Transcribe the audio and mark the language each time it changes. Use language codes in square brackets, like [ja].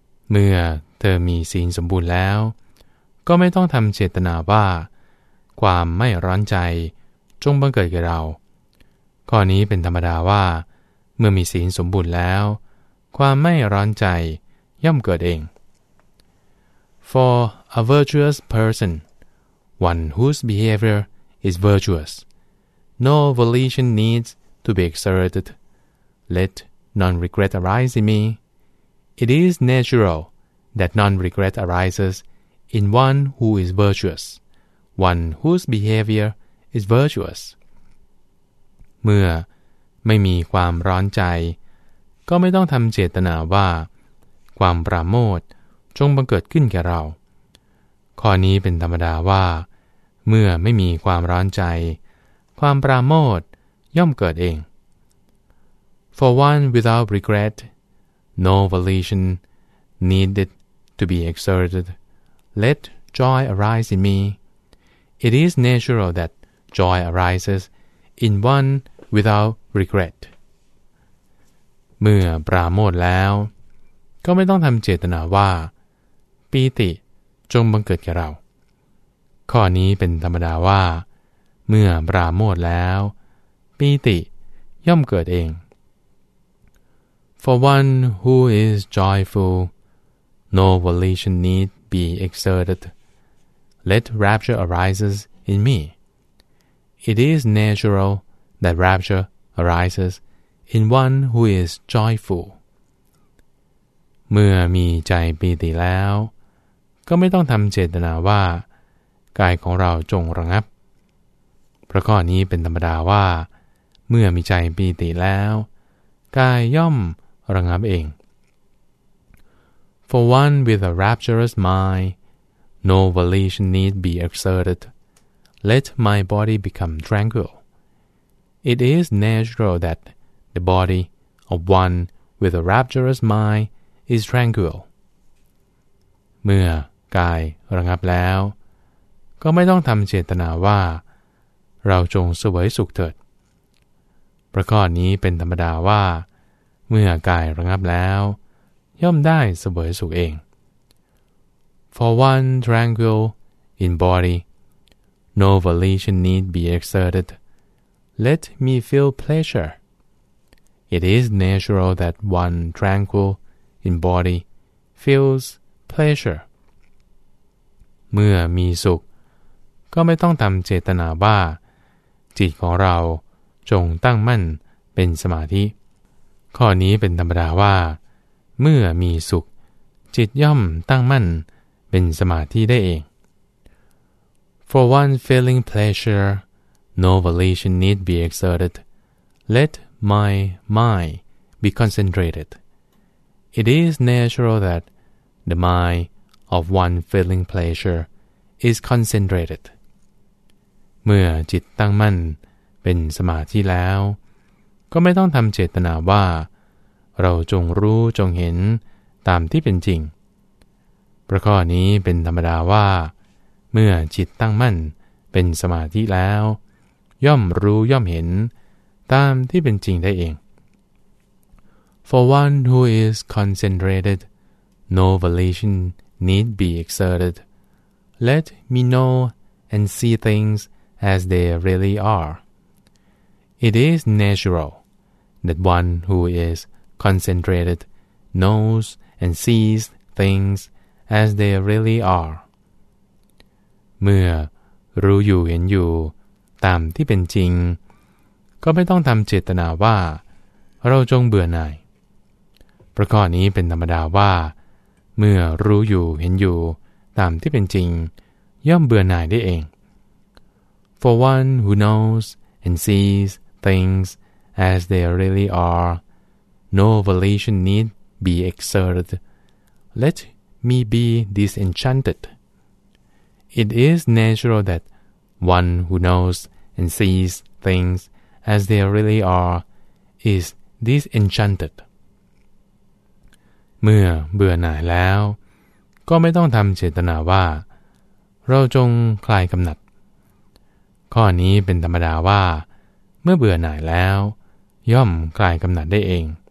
[th] เมื่อเธอมีศีลสมบูรณ์แล้วก็ไม่ต้องทำเจตนาว่าความไม่ร้อนใจจงบังเกิดแก่เราข้อนี้เป็นธรรมดาว่าเมื่อมีศีลสมบูรณ์แล้วความไม่ร้อนใจย่อมเกิดเอง [en] For a virtuous person, one whose behavior is virtuous, no volition needs to be exerted. Let non-regret arise in me. It is natural that non-regret arises in one who is virtuous, one whose behavior is virtuous. [th] เมื่อไม่มีความร้อนใจก็ไม่ต้องทำเจตนาว่าความปราโมทย์จงบังเกิดขึ้นแก่เรา ข้อนี้เป็นธรรมดาว่าเมื่อไม่มีความร้อนใจความปราโมทย่อมเกิดเอง [en] For one without regret, no volition needed to be exerted. Let joy arise in me. It is natural that joy arises in one without regret. [th] เมื่อปราโมทแล้วก็ไม่ต้องทำเจตนาว่าปีติจงบังเกิดแก่เราข้อนี้เป็นธรรมดาว่าเมื่อปราโมทแล้วปีติย่อมเกิดเอง [en] For one who is joyful, no volition need be exerted. Let rapture arises in me. It is natural that rapture arises in one who is joyful. [th] เมื่อมีใจปีติแล้วก็ไม่ต้องทำเจตนาว่ากายของเราจงระงับพระข้อนี้เป็นธรรมดาว่าเมื่อมีใจปีติแล้วกายย่อมระงับเอง [en] For one with a rapturous mind, no volition need be exerted. Let my body become tranquil. It is natural that the body of one with a rapturous mind is tranquil. [th] เมื่อกายระงับแล้วก็ไม่ต้องทำเจตนาว่าเราจงเสวยสุขเถิดพระข้อนี้เป็นธรรมดาว่าเมื่อกายระงับแล้วย่อมได้เสวยสุขเอง [en] For one tranquil in body, no volition need be exerted. Let me feel pleasure. It is natural that one tranquil in body feels pleasure. [th] เมื่อมีสุขก็ไม่ต้องทำเจตนาว่าจิตของเราจงตั้งมั่นเป็นสมาธิข้อนี้เป็นธรรมดาว่าเมื่อมีสุขจิตย่อมตั้งมั่นเป็นสมาธิได้เอง [en] For one feeling pleasure, no volition need be exerted. Let my mind be concentrated. It is natural that the mind of one feeling pleasure is concentrated. [th] เมื่อจิตตั้งมั่นเป็นสมาธิแล้วก็ไม่ต้องทำเจตนาว่าเราจงรู้จงเห็นตามที่เป็นจริงประข้อนี้เป็นธรรมดาว่าเมื่อจิตตั้งมั่นเป็นสมาธิแล้วย่อมรู้ย่อมเห็นตามที่เป็นจริงได้เอง [en] For one who is concentrated, no volition need be exerted. Let me know and see things as they really are. It is natural that one who is concentrated knows and sees things as they really are. [th] เมื่อรู้อยู่เห็นอยู่ตามที่เป็นจริงก็ไม่ต้องทำเจตนาว่าเราจงเบื่อหน่ายประข้อนี้เป็นธรรมดาว่าเมื่อรู้อยู่เห็นอยู่ตามที่เป็นจริงย่อมเบื่อหน่ายได้เอง [en] For one who knowsand sees things as they really are, no volition need be exerted. Let me be disenchanted. It is natural that one who knows and sees things as they really are is disenchanted. [th] เมื่อเบื่อหน่ายแล้วก็ไม่ต้องทำเจตนาว่าเราจงคลายกำหนัดข้อนี้เป็นธรรมดาว่าเมื่อเบื่อหน่ายแล้วย่อมคลายกำหนัดได้เอง